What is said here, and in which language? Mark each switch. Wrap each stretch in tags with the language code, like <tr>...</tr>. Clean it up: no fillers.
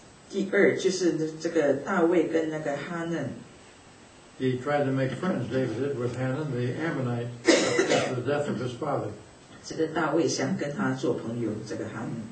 <zh>第二就是这个大卫跟那个哈嫩。</zh> <en>He tried to make friends, David did, with Hanun, the Ammonite, after the death of his father.</en> <zh>这个大卫想跟他做朋友，这个哈嫩。</zh>